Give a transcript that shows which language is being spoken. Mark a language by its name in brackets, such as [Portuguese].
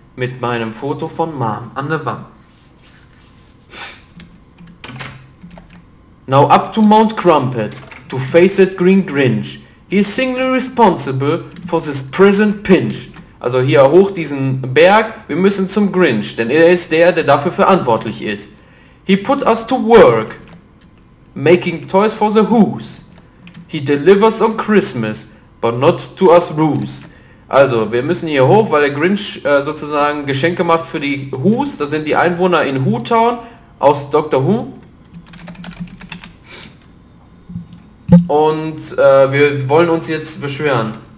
[German] mit meinem Foto von Mom an der Wand. [English] Now up to Mount Crumpet to face that Green Grinch. He is singly responsible for this present pinch. [German] Also hier hoch diesen Berg, wir müssen zum Grinch, denn er ist der, der dafür verantwortlich ist. [English] He put us to work, making toys for the Who's. He delivers on Christmas, but not to us Who's. [German] Also, wir müssen hier hoch, weil der Grinch sozusagen Geschenke macht für die Who's. Das sind die Einwohner in Who-Town aus Doctor Who. Und wir wollen uns jetzt beschweren.